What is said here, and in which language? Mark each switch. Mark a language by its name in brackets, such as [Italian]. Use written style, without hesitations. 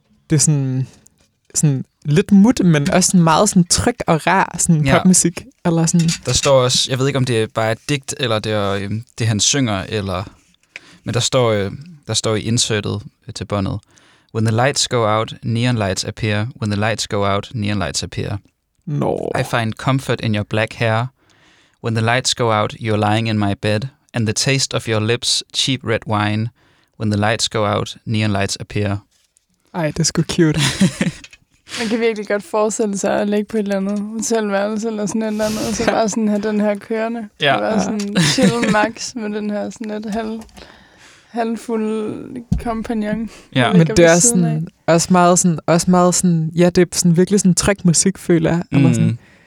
[Danish] Det er sådan lidt mut, men også sådan meget sådan tryg og rar sådan ja. Popmusik. Eller sådan. Der står også, jeg ved ikke, om det er bare et digt, eller det han synger, eller, men der står i insertet til båndet. [English] When the lights go out, neon lights appear. When the lights go out, neon lights appear. No. I find comfort in your black hair. When the lights go out, you're lying in my bed. And the taste of your lips, cheap red wine. When the lights go out, neon lights appear. [Danish] Ej, det er sgu cute. Man kan virkelig godt forestille sig at ligge på et eller andet hotelværelse eller sådan et eller andet, og så bare sådan have den her kørende. Ja. Det var sådan chill max med den her sådan et halvfuld kompagnon. Ja. Men det er sådan også meget sådan, ja, det er sådan virkelig sådan trick-musik, føler jeg. Mm.